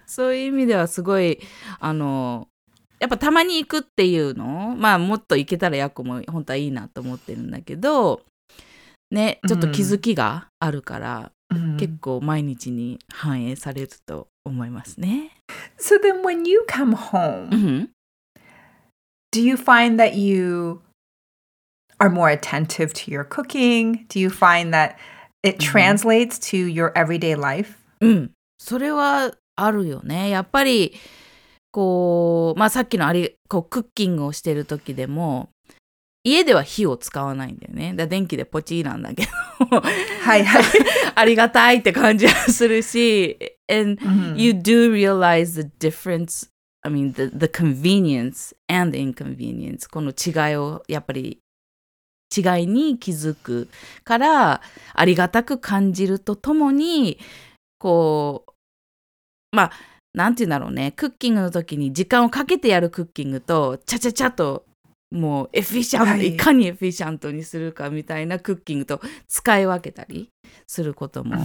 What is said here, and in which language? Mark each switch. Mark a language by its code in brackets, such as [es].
[ja] そういう意味ではすごい、あの、やっぱたまに行くっていうの、まあもっと行けたらヤコも本当はいいなと思ってるんだけどね、ちょっと気づきがあるから、うん、結構毎日に反映されると思いますね。 [en] So then when you come home、 mm-hmm. Do you find that you are more attentive to your cooking? Do you find that it translates、mm-hmm. to your everyday life? [ja] うん、それはあるよね。やっぱりこう、まあさっきのありこうクッキングをしてる時でも家では火を使わないんだよね。だ電気でポチーなんだけど。はいはい。ありがたいって感じはするし。 [en] And、mm-hmm. you do realize the difference, I mean, the convenience and the inconvenience. [ja] この違いを、やっぱり違いに気づくから、ありがたく感じるとともに、こう、まあ、なんて言うんだろうね。クッキングの時に時間をかけてやるクッキングと、ちゃちゃちゃと、もうエフィシャント、はい、いかにエフィシャントにするかみたいなクッキングと使い分けたりすることも、